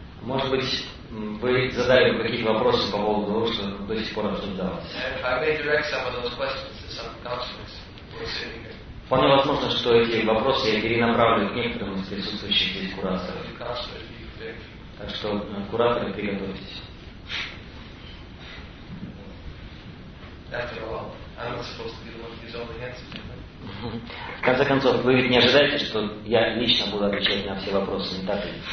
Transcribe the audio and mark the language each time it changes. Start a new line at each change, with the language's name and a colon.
Russian: Может быть, вы задали какие-то вопросы по поводу того, что до сих пор обсуждалось.
English: And I may direct some of those questions to some counselors who are sitting here.
Russian: Вполне возможно, что эти вопросы я перенаправлю к некоторым из присутствующих здесь кураторов. Так что, кураторы, приготовьтесь.
English: After all, I'm not supposed to be the one who's only answering.
Russian: В конце концов, вы ведь не ожидаете, что я лично буду отвечать на все вопросы, не так ли?